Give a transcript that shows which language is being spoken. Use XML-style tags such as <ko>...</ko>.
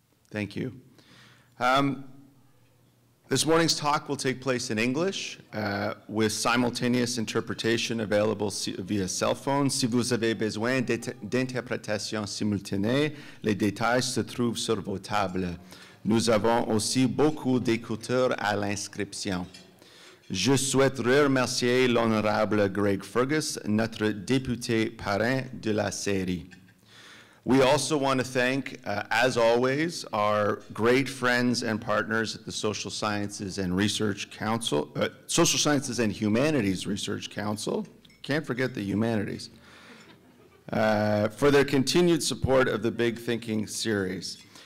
<en>Thank you. This morning's talk will take place in English with simultaneous interpretation available via cell phone.</en> <fr>Si vous avez besoin d'interprétation simultanée, les détails se trouvent sur vos tables. Nous avons aussi beaucoup d'écouteurs à l'inscription. Je souhaite remercier l'honorable Greg Fergus, notre député parrain de la série.</fr> <en>We also want to thank, as always, our great friends and partners at the Social Sciences and Research Council, Social Sciences and Humanities Research Council, can't forget the humanities, for their continued support of the Big Thinking series.</en>